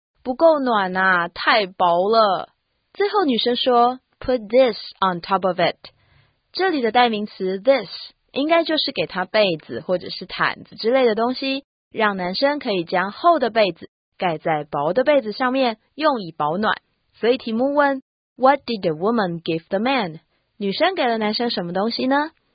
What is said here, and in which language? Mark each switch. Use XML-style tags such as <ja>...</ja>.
<zh>不够暖啊，太薄了。最后女生说</zh> <en>Put this on top of it.</en> <zh>这里的代名词 this 应该就是给他被子或者是毯子之类的东西，让男生可以将厚的被子盖在薄的被子上面，用以保暖。所以题目问</zh> <en>What did the woman give the man?</en> <zh>女生给了男生什么东西呢？</zh>